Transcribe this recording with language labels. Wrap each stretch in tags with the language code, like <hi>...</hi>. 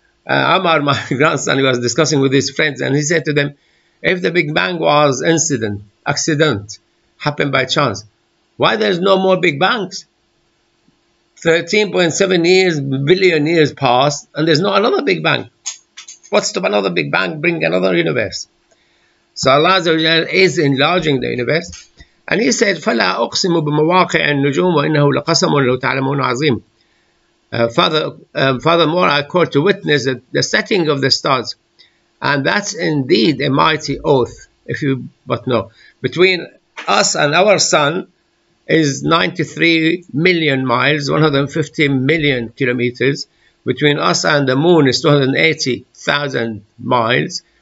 <en>Amar, my grandson, was discussing with his friends, and he said to them, if the Big Bang was accident, happened by chance, why there's no more Big Bangs? 13.7 billion years passed, and there's not another Big Bang. What's to another Big Bang bring another universe? So Allah is enlarging the universe. And he said,</en> <ar>فَلَا أُقْسِمُ بِمَوَاقِعِ النُّجُومِ وَإِنَّهُ لَقَسَمٌ لَوْ تَعْلَمُونَ عَظِيمٌ.</ar> <en>Furthermore, I call to witness the setting of the stars. And that's indeed a mighty oath, if you but know. Between us and our sun is 93 million miles, 150 million kilometers. Between us and the moon is 280,000 miles.</en>